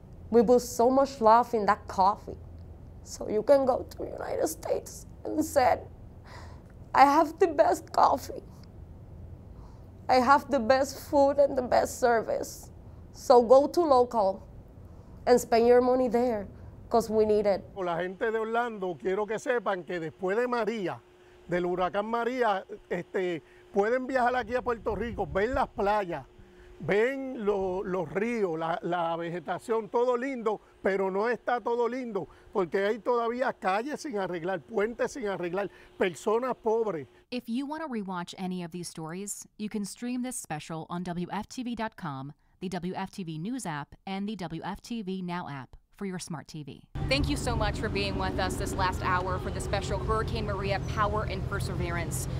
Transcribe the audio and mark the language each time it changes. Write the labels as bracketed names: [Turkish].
[English] We put so much love in that coffee. So you can go to the United States and say, I have the best coffee. I have the best food and the best service. So go to local and spend your money there, because we need it. [Spanish] La gente de Orlando, quiero que sepan que después de María, del huracán María, pueden viajar aquí a Puerto Rico, ver las playas. ven los ríos, la vegetación, todo lindo, pero no está todo lindo, porque hay todavía calles sin arreglar, puentes sin arreglar, personas pobres. [English] If you want to rewatch any of these stories, you can stream this special on WFTV.com, the WFTV News app, and the WFTV Now app for your smart TV. Thank you so much for being with us this last hour for the special Hurricane Maria Power and Perseverance.